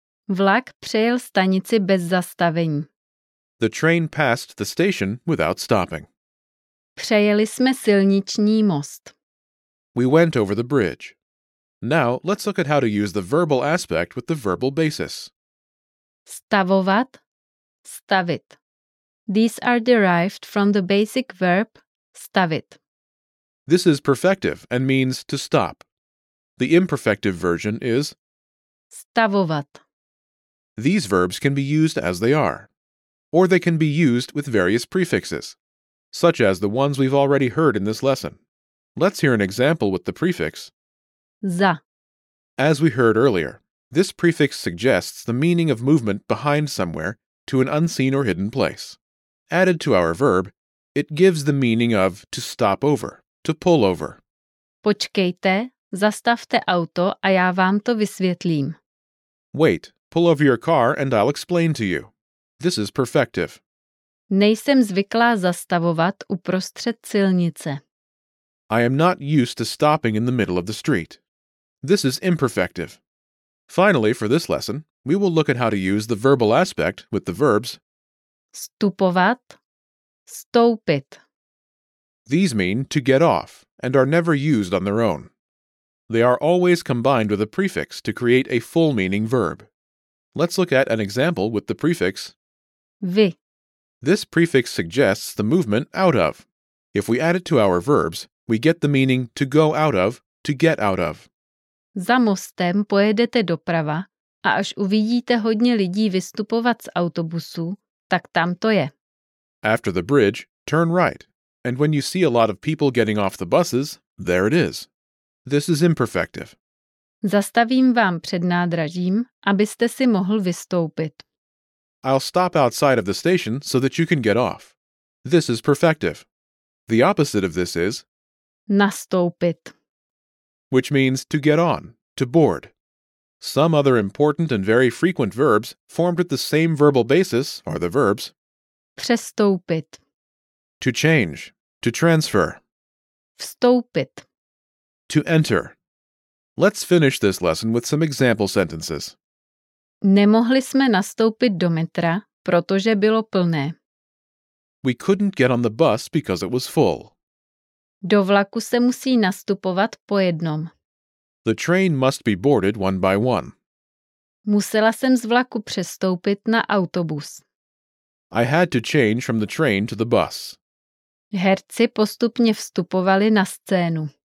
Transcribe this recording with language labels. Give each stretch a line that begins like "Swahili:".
Czech: Vlak přejel stanici bez zastavení.
English: The train passed the station without stopping.
Czech: Přejeli jsme silniční most.
English: We went over the bridge. Now, let's look at how to use the verbal aspect with the verbal basis.
Czech: stavovat, stavit.
English: These are derived from the basic verb stavit. This is perfective and means to stop. The imperfective version is
Czech: stavovat.
English: These verbs can be used as they are, or they can be used with various prefixes, such as the ones we've already heard in this lesson. Let's hear an example with the prefix
Czech: za.
English: As we heard earlier, this prefix suggests the meaning of movement behind somewhere to an unseen or hidden place. Added to our verb, it gives the meaning of to stop over, to pull over.
Czech: Počkejte, zastavte auto a já vám to vysvětlím.
English: Wait, pull over your car and I'll explain to you. This is perfective.
Czech: Nejsem zvyklá zastavovat uprostřed silnice.
English: I am not used to stopping in the middle of the street. This is imperfective. Finally, for this lesson, we will look at how to use the verbal aspect with the verbs
Czech: stupovat, stoupit.
English: These mean to get off and are never used on their own. They are always combined with a prefix to create a full-meaning verb. Let's look at an example with the prefix
Czech: vy.
English: This prefix suggests the movement out of. If we add it to our verbs, we get the meaning to go out of, to get out of.
Czech: Za mostem pojedete doprava a až uvidíte hodně lidí vystupovat z autobusu, tak tam to je.
English: After the bridge, turn right. And when you see a lot of people getting off the buses, there it is. This is imperfective.
Czech: Zastavím vám před nádražím, abyste si mohl vystoupit.
English: I'll stop outside of the station so that you can get off. This is perfective. The opposite of this is
Czech: nastoupit,
English: which means to get on, to board. Some other important and very frequent verbs formed with the same verbal basis are the verbs
Czech: přestoupit,
English: to change, to transfer,
Czech: vstoupit,
English: to enter. Let's finish this lesson with some example sentences.
Czech: Nemohli jsme nastoupit do metra, protože bylo plné.
English: We couldn't get on the bus because it was full.
Czech: Do vlaku se musí nastupovat po jednom.
English: The train must be boarded one by one.
Czech: Musela jsem z vlaku přestoupit na autobus.
English: I had to change from the train to the bus.
Czech: Herci postupně vstupovali na scénu.